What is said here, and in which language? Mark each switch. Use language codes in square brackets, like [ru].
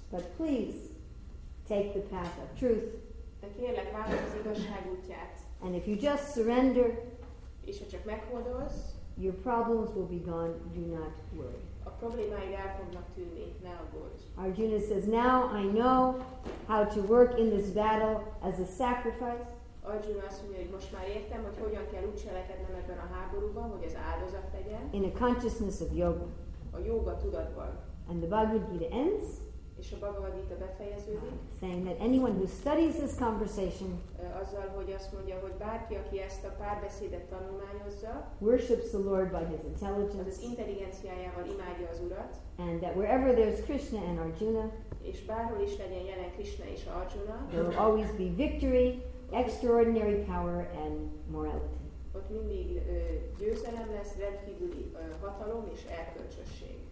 [en] But please take the path of truth. [hu] De kérlek, válasz az igazság útját. [en] And if you just surrender, [hu] és ha csak meghódolsz, [en] your problems will be gone. Do not worry. [hu] A problémáid el fognak tűnni. Ne aggódj. [en] Arjuna says, now I know how to work in this battle as a sacrifice. [hu] Arjuna azt mondja, hogy most már értem, hogy hogyan kell úgy cselekednem ebben a háborúban, hogy az áldozat legyen. [en] In a consciousness of yoga. [hu] A yoga tudatban. [en] And the Bhagavad Gita ends. [hu] És a Bhagavad Gita befejeződik. [en] Saying that anyone who studies this conversation, [hu] azzal, hogy azt mondja, hogy bárki, aki ezt a párbeszédet tanulmányozza, [en] worships the Lord by his intelligence, [hu] az intelligenciájával imádja az Urat, [en] and that wherever there's Krishna and Arjuna, [hu] és bárhol is legyen jelen Krishna és Arjuna, [en] there will always be victory, extraordinary power and morality. [hu] Ott mindig győzelem lesz, rendkívüli hatalom és erkölcsösség.